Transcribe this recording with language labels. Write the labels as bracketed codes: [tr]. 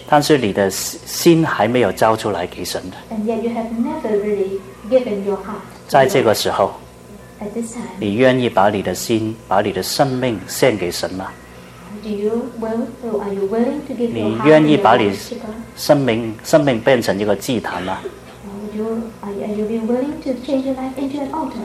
[zh] 但是你的心还没有交出来给神的。 [en] And yet you have never really given your heart. [zh] 在这个时候， [en] At this time, [zh] 你愿意把你的心、把你的生命献给神吗？ [en] Do you will? Are you willing to give your heart? [zh] 你愿意把你生命变成一个祭坛吗？ [en] Are you willing to change your life into an altar?